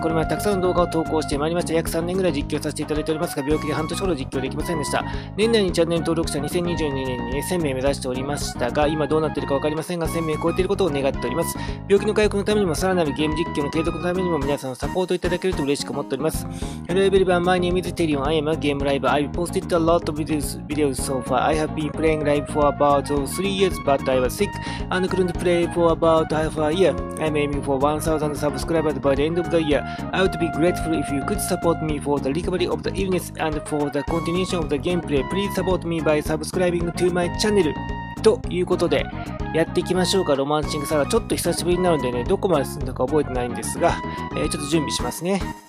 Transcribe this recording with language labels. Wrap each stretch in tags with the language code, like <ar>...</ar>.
<ja>これまでたくさんの動画を投稿してまいりました。約3年ぐらい実況させていただいておりますが、病気で半年ほど実況できませんでした。年内にチャンネル登録者2022年に1000名目指しておりましたが、今どうなっているかわかりませんが1000名超えていることを願っております。病気の回復のためにも、さらなるゲーム実況の継続のためにも、皆さんのサポートいただけると嬉しく思っております。</ja> <en>Hello everyone, my name is Terion. I am a game live. I posted a lot of videos so far. I have been playing live for about 3 years, but I was sick and couldn't play for about half a year. I'm aiming for 1,000 subscribers by the end of the year. I would be grateful if you could support me for the recovery of the illness and for the continuation of the gameplay. Please support me by subscribing to my channel.</en> <ja>ということで、やっていきましょうか、ロマンシングサガ。ちょっと久しぶりなのでね、どこまで進んだか覚えてないんですが、ちょっと準備しますね。</ja>